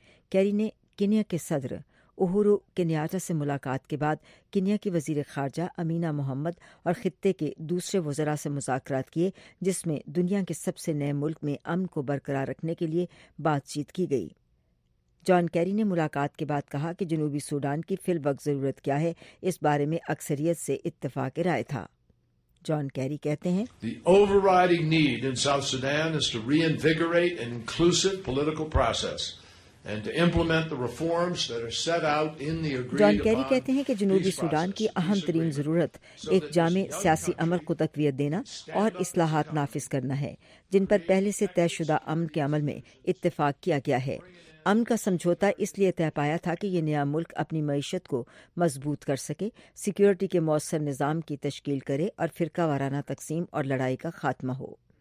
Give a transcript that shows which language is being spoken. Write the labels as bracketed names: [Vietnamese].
[Urdu] Carry نے Kenya کے صدر اوہورو کینیاٹا سے ملاقات کے بعد کینیا کی وزیر خارجہ امینہ محمد اور خطے کے دوسرے وزراء سے مذاکرات کیے, جس میں دنیا کے سب سے نئے ملک میں امن کو برقرار رکھنے کے لیے بات چیت کی گئی. جان کیری نے ملاقات کے بعد کہا کہ جنوبی سوڈان کی فی الوقت ضرورت کیا ہے, اس بارے میں اکثریت سے اتفاق رائے تھا. جان کیری کہتے ہیں, [English] The overriding need in South Sudan is to reinvigorate an inclusive political process and to implement the reforms that are set out in the agreed. [Urdu] John Kerry کہتے ہیں کہ جنوبی سوڈان کی اہم ترین ضرورت ایک جامع سیاسی عمل کو تقویت دینا اور اصلاحات نافذ کرنا ہے, جن پر پہلے سے طے شدہ امن کے عمل میں اتفاق کیا گیا ہے. امن کا سمجھوتا اس لیے طے پایا تھا کہ یہ نیا ملک اپنی معیشت کو مضبوط کر سکے, سیکیورٹی کے مؤثر نظام کی تشکیل کرے اور فرقہ وارانہ تقسیم اور لڑائی کا خاتمہ ہو.